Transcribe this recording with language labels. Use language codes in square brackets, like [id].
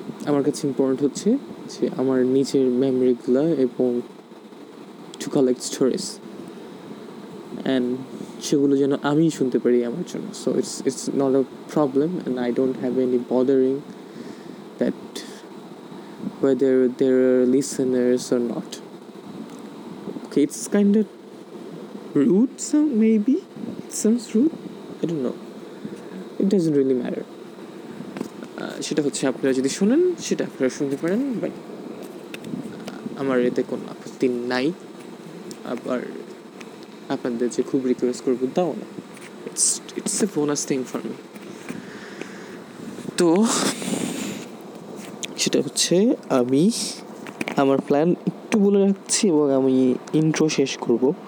[bn] আমার কাছে ইম্পর্ট্যান্ট হচ্ছে যে আমার নিজের মেমোরিগুলো এবং [en] to collect stories, and [bn] সেগুলো যেন আমি শুনতে পারি আমার জন্য। [en] So it's not a problem and I don't have any bothering that whether there are listeners or not. Okay, it's kind of rude, so maybe it sounds rude, I don't know, it doesn't really matter. [bn] সেটা হচ্ছে আপনারা যদি শুনেন সেটা আপনারা শুনতে পারেন, but আমার এতে কোনো আপত্তি নাই। আবার আপনাদের যে খুব রিকোয়েস্ট করবো তাও না, [en] It's a bonus thing for me. [bn] তো সেটা হচ্ছে আমি আমার প্ল্যান একটু বলে রাখছি এবং আমি ইন্ট্রো শেষ করব।